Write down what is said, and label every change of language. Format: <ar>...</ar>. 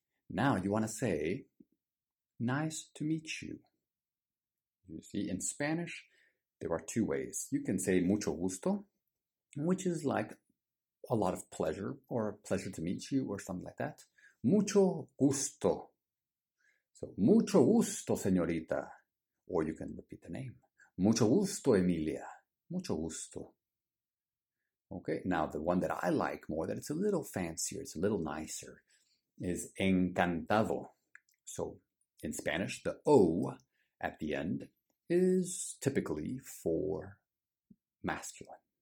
<en>Now you want to say, nice to meet you. You see, in Spanish, there are two ways. You can say</en> <es>mucho gusto,</es> <en>which is like a lot of pleasure or pleasure to meet you or something like that.</en> <es>Mucho gusto. So, mucho gusto, señorita.</es> <en>Or you can repeat the name.</en> <es>Mucho gusto, Emilia. Mucho gusto.</es> <en>Okay, now the one that I like more, that it's a little fancier, it's a little nicer, is encantado. So in Spanish, the O at the end is typically for masculine.</en>